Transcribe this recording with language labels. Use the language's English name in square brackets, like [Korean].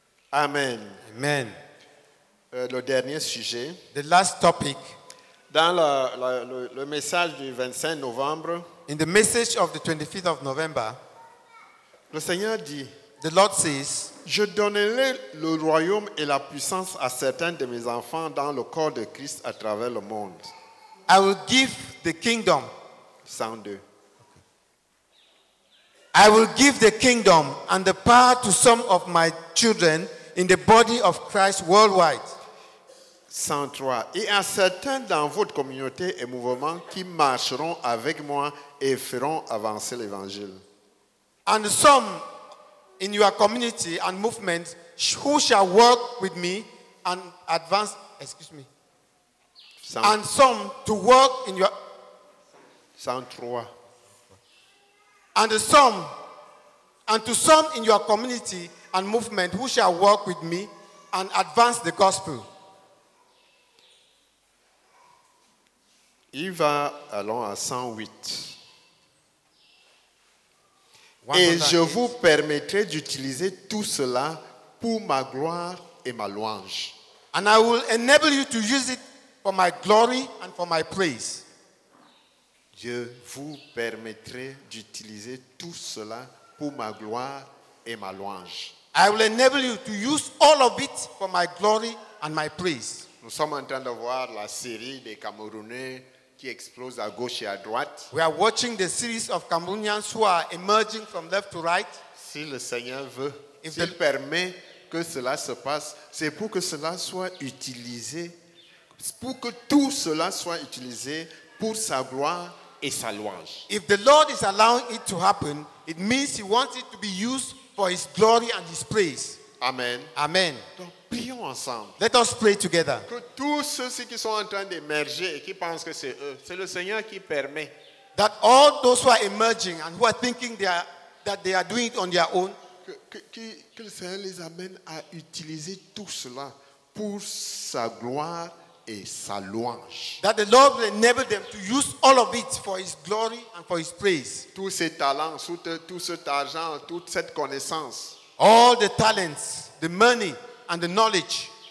[French] Amen. Amen. Le dernier sujet. [English] The last topic. [French] Dans le message du 25 novembre. [English] In the message of the 25th of November. [French] Le Seigneur dit. [English] The Lord says. [French] Je donnerai le royaume et la puissance à certains de mes enfants dans le corps de Christ à travers le monde. [English] I will give the kingdom. Psalm 2. I will give the kingdom and the power to some of my children in the body of Christ worldwide. 103. [French] Et à certains dans votre communauté et mouvement qui marcheront avec moi et feront avancer l'évangile. [English] And some in your community and movement who shall work with me and advance, excuse me. 100. And some to work in your 103. And to some in your community and movement who shall work with me and advance the gospel. [French] Il va allons à 108. Et je vous permettrai d'utiliser tout cela pour ma gloire et ma louange. [English] And I will enable you to use it for my glory and for my praise. [French] Je vous permettrai d'utiliser tout cela pour ma gloire et ma louange. [English] I will enable you to use all of it for my glory and my praise. [French] Nous sommes en train de voir la série des Camerounais qui explosent à gauche et à droite. [English] We are watching the series of Cameroonians who are emerging from left to right. [French] Si le Seigneur veut, s'il permet que cela se passe, c'est pour que cela soit utilisé, pour que tout cela soit utilisé pour sa gloire et sa louange. [English] If the Lord is allowing it to happen, it means he wants it to be used for his glory and his praise. [French] Amen. Amen. Donc, prions ensemble. [English] Let us pray together. [French] Que tous ceux qui sont en train d'émerger et qui pensent que c'est eux, c'est le Seigneur qui permet. [English] That all those who are emerging and who are thinking that they are doing it on their own, [French] que le Seigneur les amène à utiliser tout cela pour sa gloire et sa louange. [English] That the Lord will enable them to use all of it for his glory and for his praise. [French] Tous ces talents, tout cet argent, toute cette connaissance. [English] All the talents, the money and the knowledge.